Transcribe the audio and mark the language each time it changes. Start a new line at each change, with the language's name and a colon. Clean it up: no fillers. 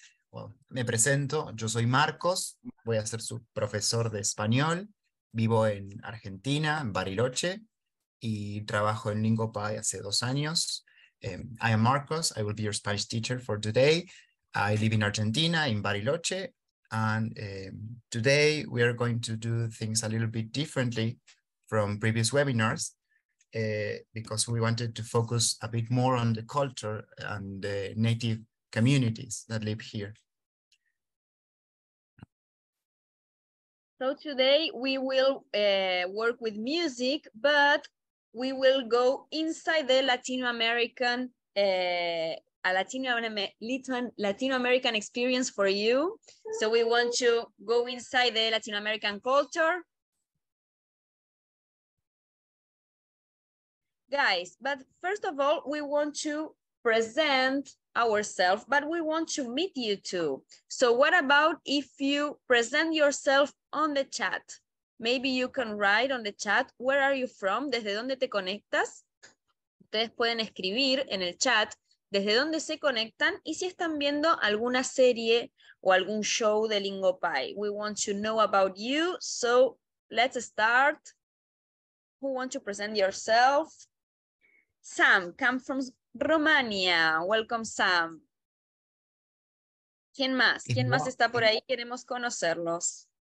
Spanish: Well, me presento, yo soy Marcos, voy a ser su profesor de español. Vivo en Argentina, en Bariloche, y trabajo en Lingopi hace 2 años.
English: I am Marcos. I will be your Spanish teacher for today. I live in Argentina, in Bariloche. And today we are going to do things a little bit differently from previous webinars because we wanted to focus a bit more on the culture and the native communities that live here. So today we will work with music, but we will go inside the Latino American experience for you. So we want to go inside the Latin American culture. Guys, but first of all, we want to present ourselves, but we want to meet you too. So what about if you present yourself on the chat? Maybe you can write on the chat, where are you from?
Spanish: ¿Desde dónde te conectas? Ustedes pueden escribir en el chat desde dónde se conectan y si están viendo alguna serie o algún show de Lingopi.
English: We want to know about you, so let's start. Who wants to present yourself? Sam, come from Romania. Welcome, Sam.
Spanish: ¿Quién más? ¿Quién más está por ahí? Queremos conocerlos.